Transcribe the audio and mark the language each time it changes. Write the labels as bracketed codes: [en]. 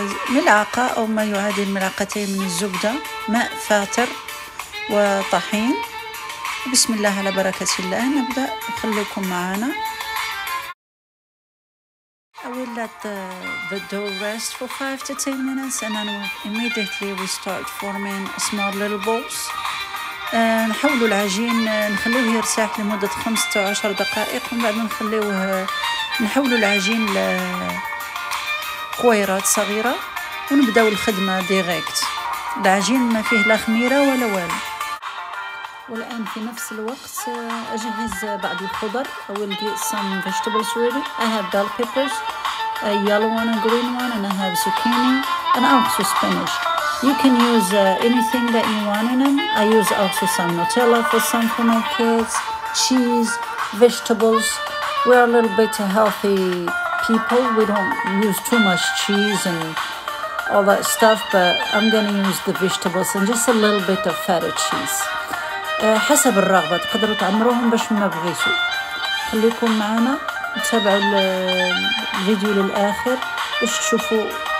[ar] ملعقة أو ما يعادل ملعقتين من الزبدة، ماء فاتر وطحين. بسم الله على بركة الله نبدأ. خليكم معنا. [en] I will let the dough rest for 5 to 10 minutes and then immediately we start forming small little balls. [ar] نحاول العجين نخليه يرتاح لمدة 15 دقائق، ومن بعد نخليه نحاول العجين لقويرات صغيرة ونبدأ الخدمة ديريكت. العجين ما فيه لا خميرة ولا والو. والآن في نفس الوقت أجهز بعض الخضر. [en] I will get some vegetables ready. I have bell peppers, a yellow one, a green one, and I have zucchini and also spinach. You can use anything that you want in them. I use also some Nutella for some for my kids, cheese, vegetables. We are a little bit healthy people. We don't use too much cheese and all that stuff, but I'm gonna use the vegetables and just a little bit of feta cheese. [ar] حسب الرغبة تقدروا تعمروهم باش ما بغيتوا. خليكم معنا تابعوا الفيديو للآخر باش تشوفوا.